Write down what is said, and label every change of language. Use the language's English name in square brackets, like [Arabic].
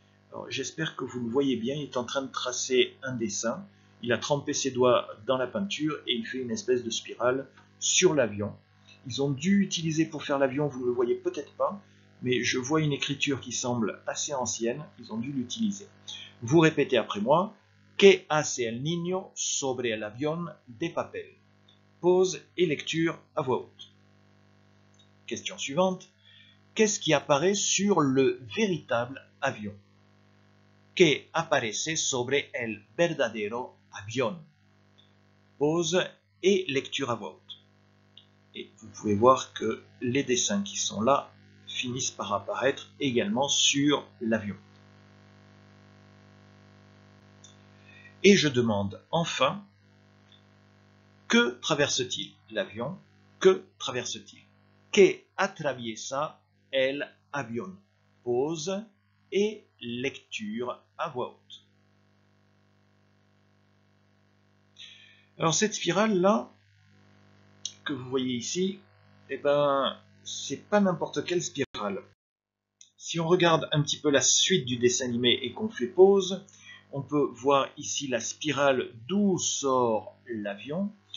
[French] Alors, j'espère que vous le voyez bien, il est en train de tracer un dessin, il a trempé ses doigts dans la peinture et il fait une espèce de spirale sur l'avion. Ils ont dû utiliser pour faire l'avion, vous ne le voyez peut-être pas, mais je vois une écriture qui semble assez ancienne, ils ont dû l'utiliser. Vous répétez après moi, [Spanish] ¿Qué hace el niño sobre el avión de papel? [French] Pause et lecture à voix haute. Question suivante. Qu'est-ce qui apparaît sur le véritable avion? [Spanish] ¿Qué aparece sobre el verdadero avión? [French] Pause et lecture à voix haute. Et vous pouvez voir que les dessins qui sont là finissent par apparaître également sur l'avion. Et je demande enfin, que traverse-t-il l'avion? Que traverse-t-il? [Spanish] Que attraviesa el avión? [French] Pause et lecture à voix haute. Alors cette spirale-là, que vous voyez ici, eh ben, c'est pas n'importe quelle spirale. Si on regarde un petit peu la suite du dessin animé et qu'on fait pause, on peut voir ici la spirale d'où sort l'avion.